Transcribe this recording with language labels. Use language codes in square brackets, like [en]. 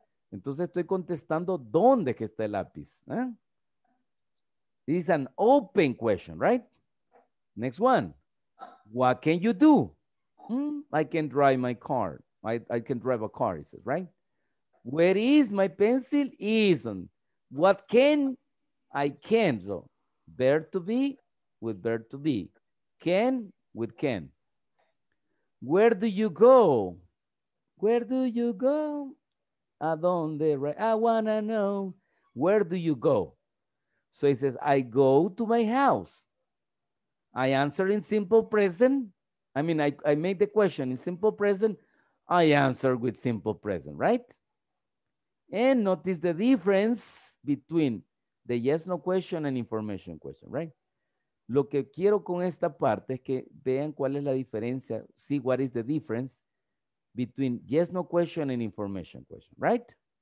[es] Entonces estoy contestando dónde que está el lápiz. ¿Eh? [en] This is an open question, right? Next one. What can you do? I can drive my car. I can drive a car, he says, right? Where is my pencil? Isn't. What can I can, though? Verb to be with verb to be. Can with can. Where do you go? Where do you go? [es] A donde, [en] right? I wanna know. Where do you go? So he says, I go to my house. I answer in simple present. I mean, I make the question in simple present. I answer with simple present, right? And notice the difference between the yes, no question and information question, right? [es] Lo que quiero con esta parte es que vean cuál es la diferencia. [en] See what is the difference between yes, no question and information question, right?